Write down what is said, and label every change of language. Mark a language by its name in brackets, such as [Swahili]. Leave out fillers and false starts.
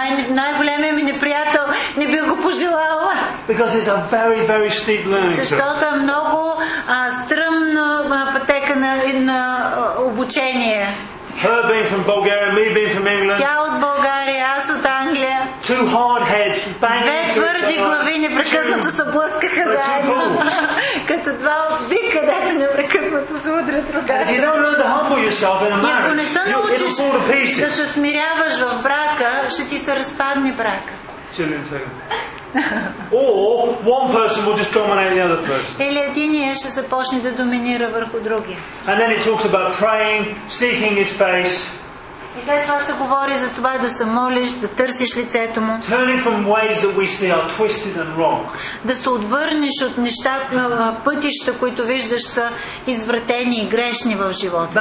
[Bulgarian] Най-големият ми неприятел не бих го пожелала. [English] Because it's a very, very steep learning. [Bulgarian] Защото е много стръмна пътека на обучение. [English] Her being from Bulgaria, me being from England. [Bulgarian] Тя от България, аз от Англия. [English] Two hard heads banging. [Bulgarian] Две твърди глави непрекъснато се блъскаха заедно. Като два бика, дето непрекъснато се удрят другата. [English] You don't learn to humble yourself in a marriage. [Bulgarian] Ако не се научиш да се смиряваш в брака, ще ти се разпадне брака. [English] Or one person will just dominate the other person. [Bulgarian] Или единият ще започне да доминира върху другия. [English] And then it talks about praying, seeking his face. [Bulgarian] И след това се говори за това да се молиш, да търсиш лицето му. [English] Turning from ways that we see are twisted and wrong. [Bulgarian] Да се отвърнеш от неща, пътища, които виждаш са извратени и грешни в живота.